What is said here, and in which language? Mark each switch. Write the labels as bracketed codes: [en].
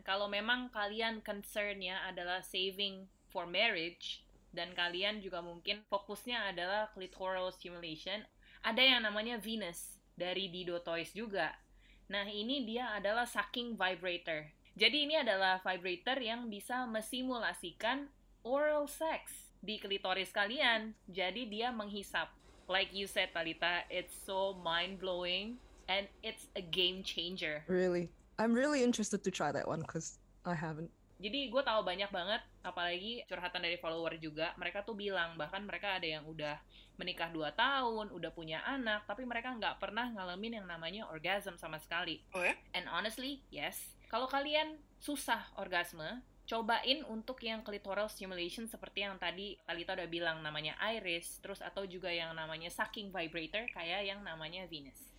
[id] Kalau memang kalian concern-nya adalah [en] saving for marriage [id] dan kalian juga mungkin fokusnya adalah clitoral stimulation, ada yang namanya Venus dari Dido Toys juga. Nah, ini dia adalah sucking vibrator. Jadi ini adalah vibrator yang bisa mensimulasikan oral sex di klitoris kalian. Jadi dia menghisap. [en] Like you said, Talita, it's so mind-blowing and it's a game changer. Really? I'm really interested to try that one because I haven't. [id] Jadi gue tahu banyak banget, apalagi curhatan dari follower juga, mereka tuh bilang, bahkan mereka ada yang udah menikah 2 tahun, udah punya anak, tapi mereka nggak pernah ngalamin yang namanya orgasm sama sekali. Oh ya? [en] And honestly, yes. [id] Kalau kalian susah orgasme, cobain untuk yang clitoral stimulation seperti yang tadi Talita udah bilang namanya Iris, terus atau juga yang namanya sucking vibrator kayak yang namanya Venus.